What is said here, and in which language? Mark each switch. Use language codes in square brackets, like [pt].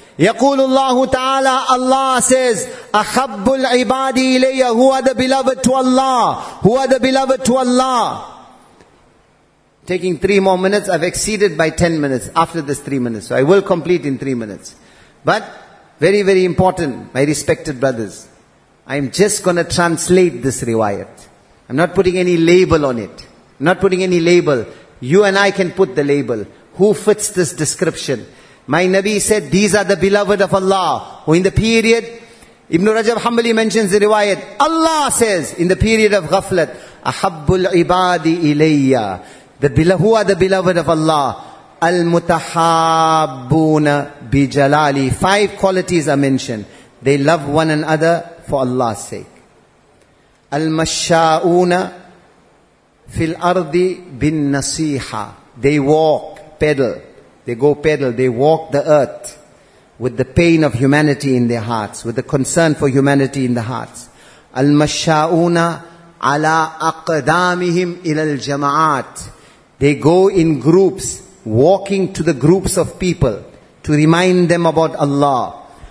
[ar] يقول الله تعالى, [en] Allah says, [ar] أحب العباد إلي. [en] Who are the beloved to Allah? Who are the beloved to Allah? Taking 3 more minutes, I've exceeded by 10 minutes, after this 3 minutes. So I will complete in 3 minutes. But very, very important, my respected brothers. I'm just going to translate this riwayat. I'm not putting any label on it. I'm not putting any label. You and I can put the label. Who fits this description? My Nabi said, these are the beloved of Allah, who in the period, Ibn Rajab Hanbali mentions the riwayat, Allah says, in the period of ghaflat, [ar] أَحَبُّ الْعِبَادِ إِلَيَّ. [en] Who are the beloved of Allah? [ar] الْمُتَحَابُّونَ بِجَلَالِ. [en] 5 qualities are mentioned. They love one another for Allah's sake. [ar] الْمَشَّاؤُونَ فِي الْأَرْضِ بِالنَّصِيحَ. [en] They walk, pedal. They go pedal. They walk the earth with the pain of humanity in their hearts, with the concern for humanity in the hearts. [ar] Al-Masha'una ala aqdamihim ilal jama'at. [en] They go in groups, walking to the groups of people to remind them about Allah.